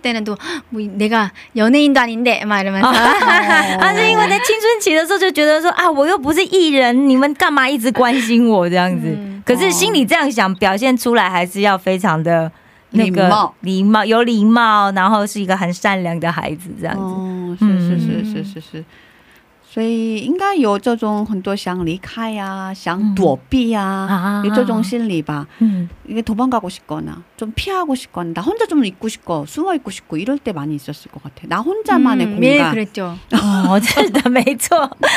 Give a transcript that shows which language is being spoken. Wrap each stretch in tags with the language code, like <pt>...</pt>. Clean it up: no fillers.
<ko>때는 또 내가 연예인도 아닌데 막 이러면서</ko> <zh>但是因为在青春期的时候就觉得说啊，我又不是艺人，你们干嘛一直关心我这样子。可是心里这样想，表现出来还是要非常的那个礼貌，有礼貌，然后是一个很善良的孩子这样子。哦，是是是是是是。所以应该有这种很多想离开呀，想躲避呀，有这种心理吧。因为逃跑</zh> <ko>가고 싶거나 좀 피하고 싶거나 나 혼자 좀 있고 싶고 숨어 있고 싶고 이럴 때 많이 있었을 것 같아. 나 혼자만의 공간. 네, 그랬죠. 어쨌든 매초.</ko>